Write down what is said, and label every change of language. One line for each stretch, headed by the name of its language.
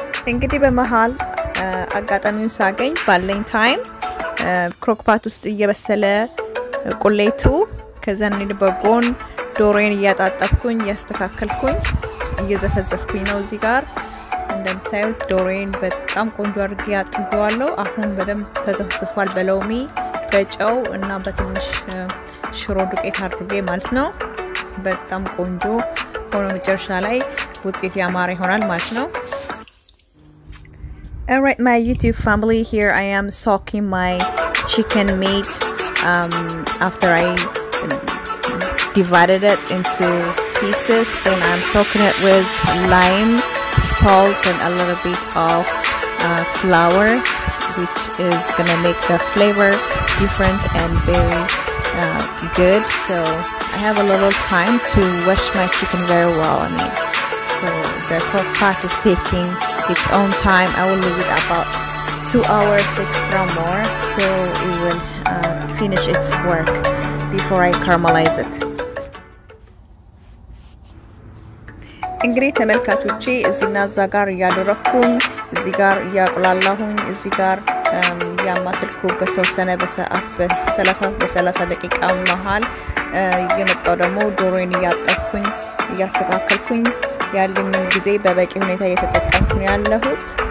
Amharic: እንግዲህ በመሃል አጋጣሚውን ሳገኝ ባለኝ ታይም ክሮክፓት ውስጥ እየበሰለ ቁሌቱ ከዛን በጎን ዶሮዬን እያጣጠፍኩኝ እያስተካከልኩኝ እየዘፈዘፍኩኝ ነው። እዚህ ጋር እንደምታዩት ዶሮዬን በጣም ቆንጆ አድርጌ አጥቤዋለሁ። አሁን በደንብ ተዘፍዝፏል በሎሚ በጨው እና በትንሽ ሽሮ ዱቄት አድርጌ ማለት ነው። በጣም ቆንጆ ሆኖ መጨረሻ ላይ ውጤት ያማረ ይሆናል ማለት ነው።
English: All right, my YouTube family, here I am soaking my chicken meat after I divided it into pieces. Then I'm soaking it with lime salt and a little bit of flour, which is gonna make the flavor different and very good. So I have a little time to wash my chicken very well. I mean, so the pork pot is taking its own time. I will leave it about 2 hours extra more, so it will finish its work before I caramelize it.
Amharic: እንግዲህ ተመልካቾቼ እዚና እዛ ጋር ያደረኩኝ እዚ ጋር ያቆላላሁኝ እዚ ጋር ያማሰልኩበት ተወሰነ በሰዓት በ30 ደቂቃ መሃል የመጣው ደግሞ ዶሮን ያጠብኩኝ ያስተካከልኩኝ ያለኝን ጊዜ በበቂ ሁኔታ እየተጠቀምኩኝ ያለሁት።